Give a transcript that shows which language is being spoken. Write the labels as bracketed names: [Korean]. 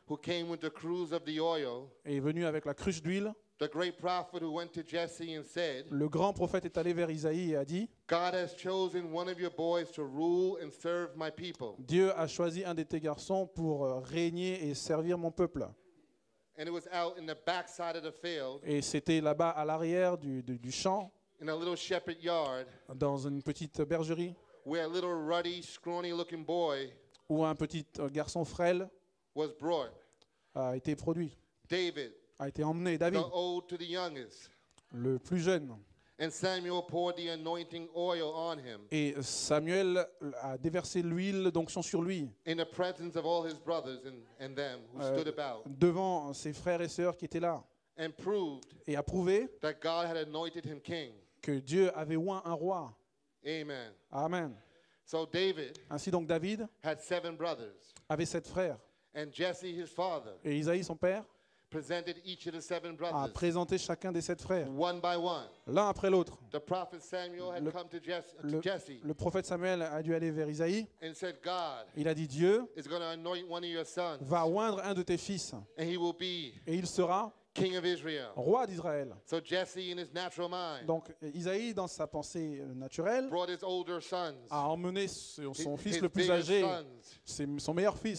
[English] Who came with the cruse of the oil. [French] Est venu avec la cruche d'huile. [English] The great prophet who went to Jesse and said. [French] Le grand prophète est allé vers Isaïe et a dit. [English] God has chosen one of your boys to rule and serve my people. [French] Dieu a choisi un de tes garçons pour régner et servir mon peuple. [English] And it was out in the backside of the field. [French] Et c'était là-bas à l'arrière du champ. [English] In a little shepherd yard. [French] Dans une petite bergerie. [English] Where a little ruddy, scrawny-looking boy. [French] Où un petit garçon frêle. [English] Was brought. [French] A été produit. [English] David. [French] A été emmené, David, [English] the old to the youngest. [French] Le plus jeune. [English] And Samuel poured the anointing oil on him. [French] Et Samuel a déversé l'huile d'onction sur lui. [English] In the presence of all his brothers and them who stood about. [French] Devant ses frères et sœurs qui étaient là. [English] And proved [French] et a prouvé [English] that God had anointed him king. [French] Que Dieu avait oint un roi. [English] Amen. [French] Amen. [English] So David, [French] ainsi donc David [English] had seven brothers. [French] Avait sept frères. [English] And Jesse his father. [French] Et Isaïe son père. [English] Presented each of the seven brothers. [French] A présenté chacun des sept frères. [English] One by one. [French] L'un après l'autre. [English] The prophet Samuel had come to Jesse. [French] Le prophète Samuel a dû aller vers Isaïe. [English] And said, God. [French] Il a dit Dieu. [English] Is going to anoint one of your sons. [French] Va oindre un de tes fils. [English] And he will be. [French] Et il sera. [English] King of Israel. [French] Roi d'Israël. [English] So Jesse in his natural mind. [French] Donc Isaïe dans sa pensée naturelle. [English] Brought his older sons. [French] A emmené son fils le plus âgé. Son meilleur fils.